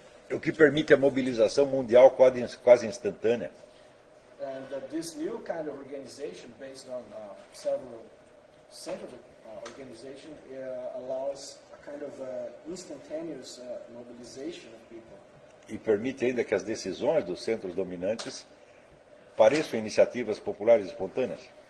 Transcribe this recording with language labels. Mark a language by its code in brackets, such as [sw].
[pt] O que permite a mobilização mundial quase instantânea. [en] And this new kind of organization based on several centers organization allows a kind of instantaneous mobilization of people. [pt] E permite ainda que as decisões dos centros dominantes pareçam iniciativas populares espontâneas.